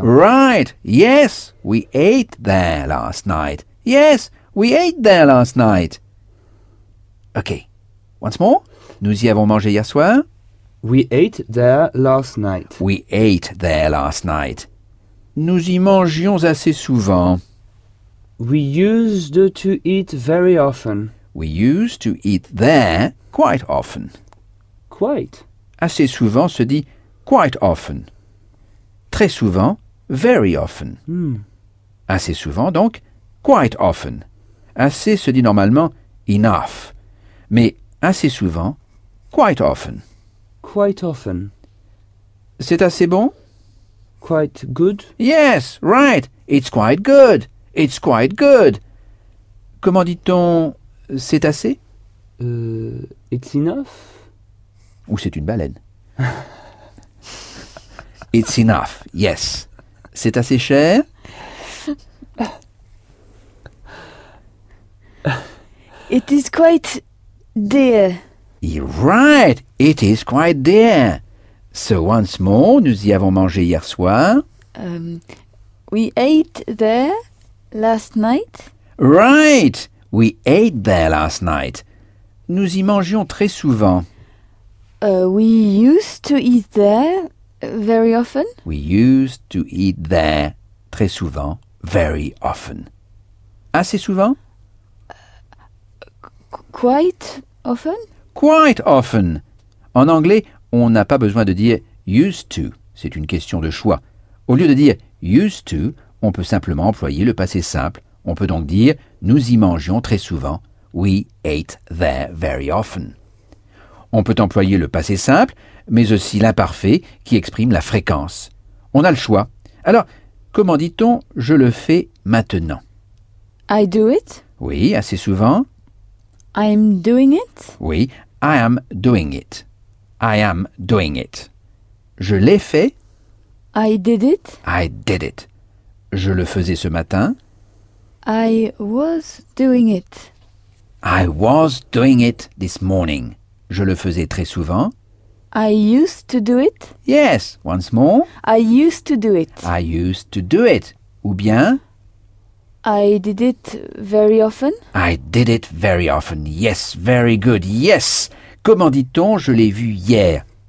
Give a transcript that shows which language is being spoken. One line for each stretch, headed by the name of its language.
English: Right, yes, we ate there last night. Yes, we ate there last night. OK, once more.
French: Nous y avons mangé hier soir.
English: We ate there last night. We ate there last night.
French: Nous y mangions assez souvent.
English: We used to eat very often. We used to eat there quite often. Quite.
French: Assez souvent se dit
English: quite often.
French: Très souvent,
English: very often.
French: Assez souvent donc,
English: quite often.
French: Assez se dit normalement enough. Mais assez souvent,
English: quite often. Quite often.
French: C'est assez bon?
English: Quite good. Yes, right. It's quite good. It's quite good.
French: Comment dit-on c'est assez?
English: It's enough.
French: Ou c'est une baleine?
English: It's enough, yes.
French: C'est assez cher?
English: It is quite dear. You're right, it is quite dear. So once more,
French: nous y avons mangé hier soir.
English: We ate there last night. Right, we ate there last night.
French: Nous y mangions très souvent.
English: We used to eat there very often. We used to eat there
French: très souvent,
English: very often.
French: Assez souvent?
English: Quite often. Quite often.
French: En anglais, on n'a pas besoin de dire
English: used to.
French: C'est une question de choix. Au lieu de dire
English: used to,
French: on peut simplement employer le passé simple. On peut donc dire nous y mangions très souvent.
English: We ate there very often.
French: On peut employer le passé simple, mais aussi l'imparfait qui exprime la fréquence. On a le choix. Alors, comment dit-on je le fais maintenant?
English: I do it.
French: Oui, assez souvent.
English: I am doing it. Oui, I am doing it. I am doing it.
French: Je l'ai fait.
English: I did it. I did it.
French: Je le faisais ce matin.
English: I was doing it. I was doing it this morning.
French: Je le faisais très souvent.
English: I used to do it. Yes, once more. I used to do it. I used to do it.
French: Ou bien...
English: I did it very often. I did it very often. Yes, very good. Yes.
French: Comment dit-on je l'ai vue hier?